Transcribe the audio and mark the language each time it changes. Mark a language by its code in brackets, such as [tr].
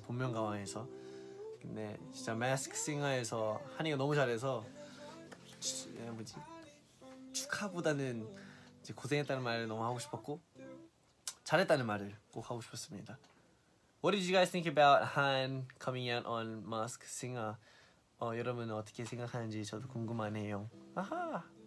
[ko] 본명 가왕에서 근데 진짜 마스크 싱어에서 한이가 너무 잘해서 뭐지 축하보다는 이제 고생했다는 말을 너무 하고 싶었고 잘했다는 말을 꼭 하고 싶었습니다. [en] What did you guys think about Han coming out on Mask Singer? [ko] 여러분은 어떻게 생각하는지 저도 궁금하네요. 아하.